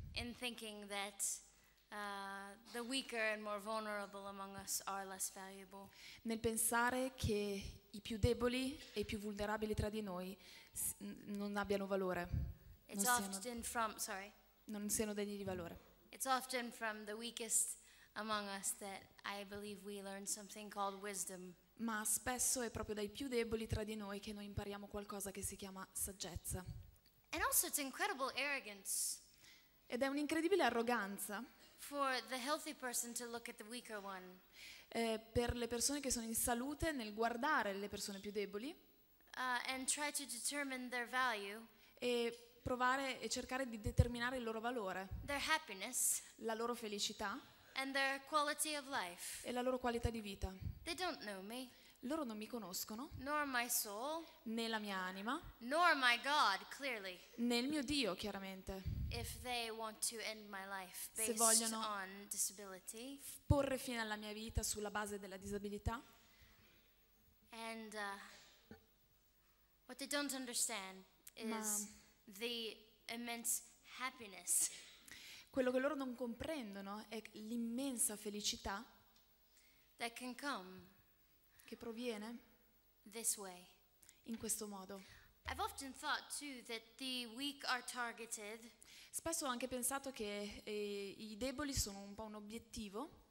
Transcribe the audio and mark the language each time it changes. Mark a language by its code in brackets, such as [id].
[en] In thinking that the weaker and more vulnerable among us are less valuable. [it] Nel pensare che i più deboli e i più vulnerabili tra di noi non abbiano valore. [en] It's often from, sorry. [it] Non siano degni di valore. [en] It's often from the weakest among us that I believe we learn something called wisdom. [it] Ma spesso è proprio dai più deboli tra di noi che noi impariamo qualcosa che si chiama saggezza. [en] And also it's incredible arrogance. [it] Ed è un'incredibile arroganza. [en] For the healthy person to look at the weaker one. [it] Per le persone che sono in salute nel guardare le persone più deboli. [en] And try to determine their value. [it] E provare e cercare di determinare il loro valore. [en] Their happiness. [it] La loro felicità. [en] And their quality of life. [it] E la loro qualità di vita. [en] They don't know me. [it] Loro non mi conoscono. [en] Nor my soul. [it] Né la mia anima. [en] Nor my God, clearly. [it] Né il mio Dio, chiaramente. [en] If they want to end my life based [it] se vogliono [en] on disability, [it] porre fine alla mia vita sulla base della disabilità. [en] And what they don't understand is the immense happiness. [it] Quello che loro non comprendono è l'immensa felicità [en] that can come [it] che proviene [en] this way. [it] In questo modo. [en] I've often thought too that the weak are targeted. [it] Spesso ho anche pensato che i deboli sono un po' un obiettivo